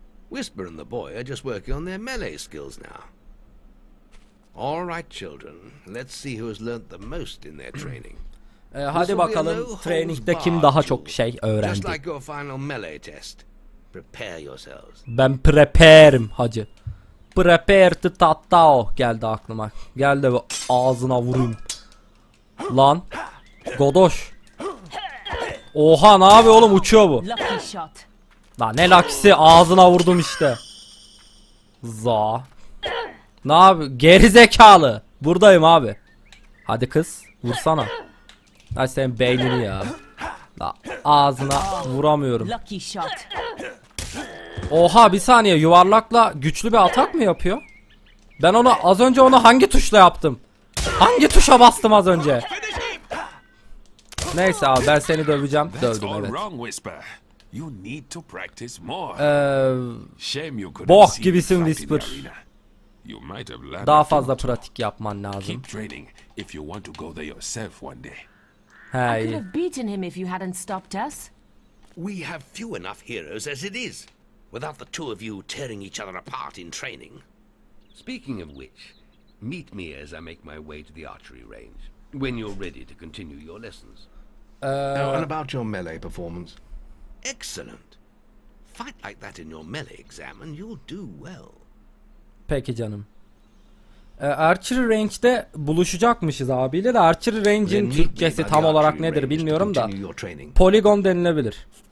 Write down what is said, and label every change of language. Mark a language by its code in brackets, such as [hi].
[en] Whisper and the boy are just working on their melee skills now. All right children, let's see who has learnt the most in their training. [tr] Hadi bakalım, training'de kim daha çok şey öğrendi? [en] Just like your final melee test. [tr] Prepare yourselves. Ben prepare'im hacı. Prepare to tattao geldi aklıma. Gel de ağzına vurayım. Lan. Godoş. Oha, ne abi oğlum, uçuyor bu. La ne lakisi, ağzına vurdum işte. Za. Ne abi, gerizekalı. Buradayım abi. Hadi kız, vursana. Ay senin beynini ya. La, ağzına vuramıyorum. Oha bir saniye, yuvarlakla güçlü bir atak mı yapıyor? Ben onu az önce onu hangi tuşla yaptım? Hangi tuşa bastım az önce? Neyse abi, ben seni döveceğim. Dövdüm, evet. [en] You need to practice more. Shame you couldn't see. Boh gibisin Whisper. You might have learned. [tr] Daha fazla pratik yapman lazım. [en] Keep training if you want to go there yourself one day. Hey. I could have beaten him if you hadn't stopped us. We have few enough heroes as it is, without the two of you tearing each other apart in training. Speaking of which, meet me as I make my way to the archery range when you're ready to continue your lessons. And about your melee performance. Excellent. Fight like that in your melee exam and you'll do well. [tr] Peki canım. Archery Range'de buluşacakmışız abiyle de Archery Range'in Türkçesi tam olarak nedir bilmiyorum da poligon denilebilir.